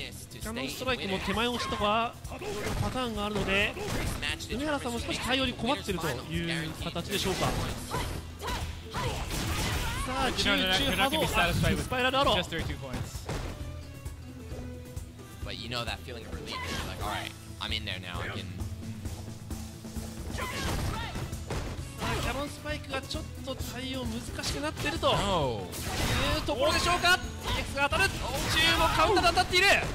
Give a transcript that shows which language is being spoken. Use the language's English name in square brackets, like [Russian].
[Japanese] キャノンストライクも手前押しとかパターンがあるので梅原さんも少し対応に困っているという形でしょうか。さあ中中波動スパイラルアロー。 [English] But you know that feeling of relief, like, all right, I'm in there now. I can. [Japanese] さあキャノンスパイクがちょっと対応難しくなっているというところでしょうか。EX が当たる。中もカウンターで当たっている。